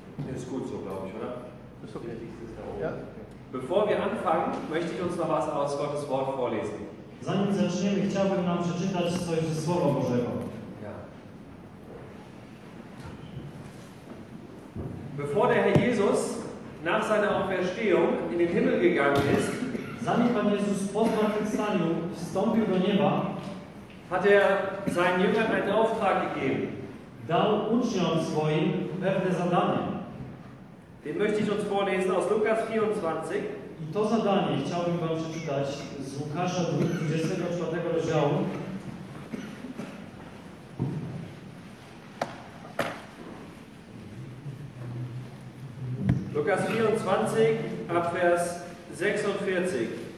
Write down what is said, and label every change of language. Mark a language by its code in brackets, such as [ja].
[de] Das ist gut so, glaube ich, oder? Das ist okay. Ja. Bevor wir anfangen, möchte ich uns noch was aus Gottes Wort vorlesen. [pl] Zanim zaczniemy, chciałbym nam przeczytać coś ze Słowa Bożego. [de] Ja. Bevor der Herr Jesus nach seiner Auferstehung in den Himmel gegangen ist, [pl] zanim Pan Jezus po zmartwychwstaniu wstąpił do nieba, [de] hat er seinen Jüngern einen Auftrag gegeben. [pl] Dał uczniom swoim pewne zadanie. [de] Den möchte ich uns vorlesen aus Lukas 24. [pl] I to zadanie chciałbym wam przeczytać z Łukasza 24 rozdziału. [de] Lukas 24, ab Vers 46.